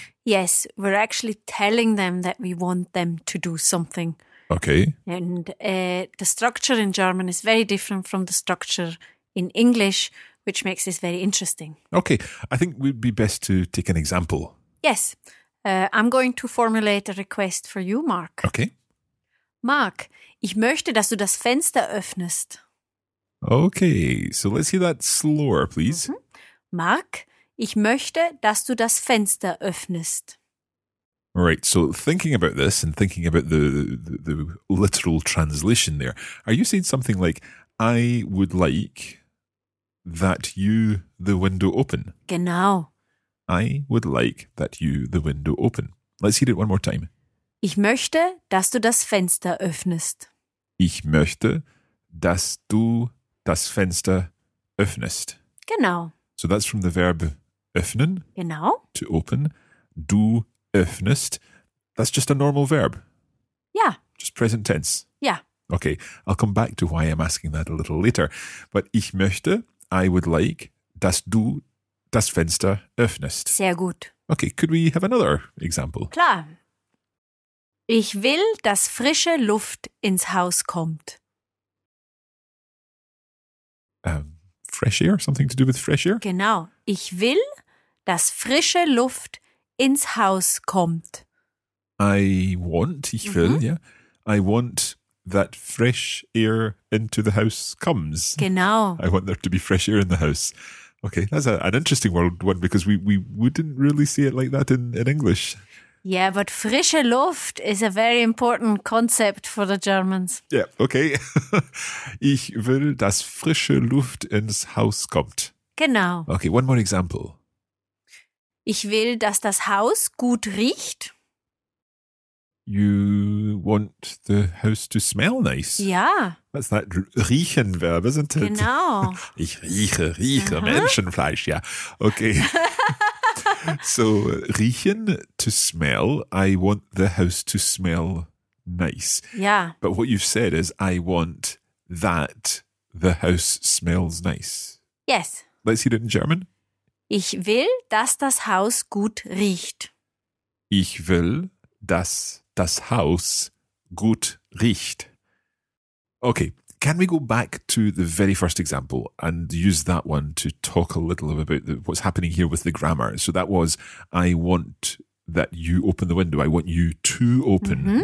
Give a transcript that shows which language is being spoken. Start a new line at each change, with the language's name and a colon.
English: Yes, we're actually telling them that we want them to do something. Okay. And the structure in German is very different from the structure in English, which makes this very interesting. Okay, I think we'd be best to take an example. Yes, I'm going to formulate a request for you, Mark. Okay.
German: Mark, ich möchte, dass du das Fenster öffnest.
English: Okay, so let's hear that slower, please. Mm-hmm.
German: Mark, ich möchte, dass du das Fenster öffnest.
English: Right, so thinking about this and thinking about the literal translation there, are you saying something like, I would like that you the window open?
German: Genau.
English: I would like that you the window open. Let's hear it one more time.
German: Ich möchte, dass du das Fenster öffnest. Ich möchte, dass du das Fenster öffnest. Genau.
English: So that's from the verb öffnen.
German: Genau.
English: To open.
German: Du öffnest.
English: That's just a normal verb. Yeah. Just present tense. Yeah. Okay, I'll come back to why I'm asking that a little later. But
German: ich möchte,
English: I would like,
German: dass du das Fenster öffnest. Sehr gut.
English: Okay, could we have another example?
German: Klar. Ich will, dass frische Luft ins Haus kommt.
English: Fresh air? Something to do with fresh air?
German: Genau. Ich will, dass frische Luft ins Haus kommt.
English: I want,
German: ich will, ja.
English: Yeah. I want that fresh air into the house comes.
German: Genau.
English: I want there to be fresh air in the house. Okay, that's an interesting one because we wouldn't really see it like that in English. Yeah, but
German: frische Luft
English: is a very important concept for the Germans. Yeah, okay.
German: Ich will, dass frische Luft ins Haus kommt. Genau.
English: Okay, one more example.
German: Ich will, dass das Haus gut riecht.
English: You want the house to smell nice. Yeah. That's that riechen verb, isn't it?
German: Genau. Ich rieche, uh-huh. Menschenfleisch,
English: yeah. Okay. So, riechen, to smell. I want the house to smell nice. Yeah. But what you've said is, I want that the house smells nice. Yes. Let's hear it in German.
German: Ich will, dass das Haus gut riecht. Ich will, dass das Haus gut riecht.
English: Okay, Can we go back to the very first example and use that one to talk a little about what's happening here with the grammar? So that was, I want that you open the window. I want you to open mm-hmm.